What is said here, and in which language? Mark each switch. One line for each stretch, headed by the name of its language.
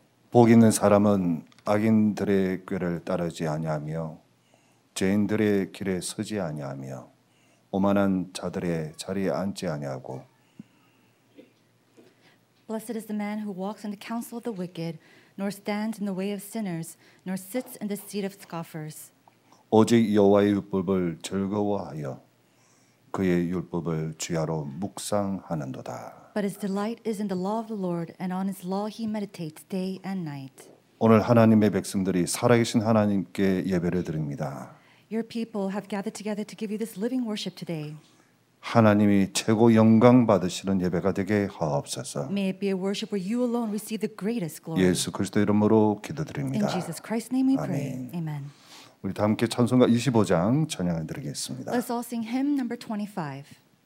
Korean: 복 있는 사람은 악인들의 꾀를 따르지 아니하며 죄인들의 길에 서지 아니하며 오만한 자들의 자리에 앉지 아니하고
English: Blessed is the man who walks in the counsel of the wicked nor stands in the way of sinners nor sits in the seat of scoffers
Korean: 오직 여호와의 율법을 즐거워하여 그의 율법을 주야로 묵상하는도다
English: But his delight is in the law of the Lord, and on his law he meditates day and night.
Korean: 오늘 하나님의 백성들이 살아계신 하나님께 예배를 드립니다.
English: Your people have gathered together to give you this living worship today.
Korean: 하나님이 최고 영광 받으시는 예배가 되게 하옵소서.
English: May it be a worship where you alone receive the greatest glory.
Korean: 예수 그리스도 이름으로 기도드립니다.
English: In Jesus Christ's name we pray. Amen.
Korean: 우리 다 함께 찬송가 25장 찬양을 드리겠습니다.
English: Let's all sing hymn number 25.